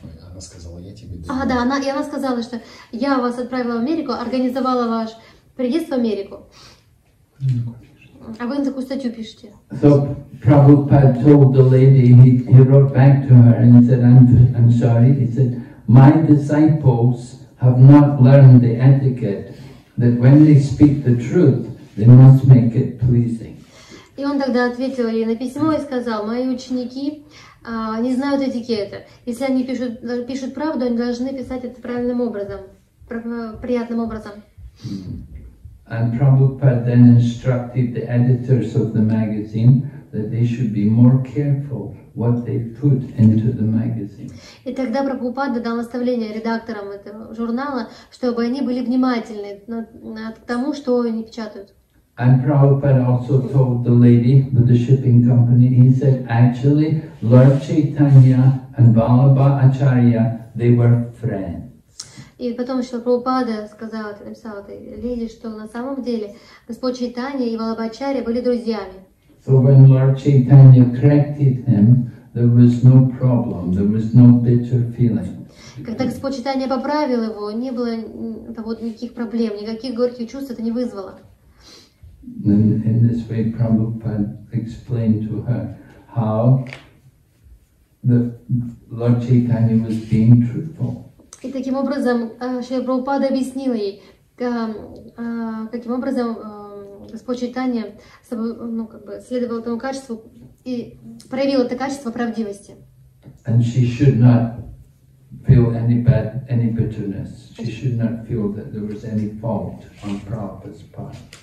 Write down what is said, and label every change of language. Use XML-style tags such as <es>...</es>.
<ru>Она сказала, я тебе... А, да, она, и она сказала, что я вас отправила в Америку, организовала ваш приезд в Америку. А вы на такую статью пишете.</ru> <en>So, Prabhupada told the lady, he wrote back to her and said, I'm sorry. He said, my disciples have not learned the etiquette that when they speak the truth, they must make it pleasing.</en> <ru>И он тогда ответил ей на письмо и сказал, мои ученики не знают этикета. Если они пишут правду, они должны писать это правильным образом, приятным образом.</ru> <en>And Prabhupada then instructed the editors of the magazine that they should be more careful what they put into the magazine.</en> <ru>И тогда Прабхупада дал наставление редакторам этого журнала, чтобы они были внимательны к тому, что они печатают.</ru> <en>And Prabhupada also told the lady with the shipping company, he said, actually, Lord Chaitanya and Vallabha Acharya, they were friends.</en> <ru>И потом еще Прабхупада сказал, написал этой леди, что на самом деле Господь Чайтанья и Валлабха Ачарья были друзьями.</ru> <en>So when Lord Chaitanya corrected him, there was no problem, there was no bitter feeling.</en> <ru>Когда Господь Чайтанья поправил его, не было вот никаких проблем, никаких горьких чувств это не вызвало.</ru> <en>Then in this way Prabhupada explained to her how the Lord Chaitanya was being truthful.</en> <ru>И таким образом Шрила Прабхупада объяснила ей, каким образом Господь Чайтанья следовал этому качеству и проявил это качество правдивости.</ru> <en>And she should not feel any bitterness. She should not feel that there was any fault on Prabhupada's part.</en>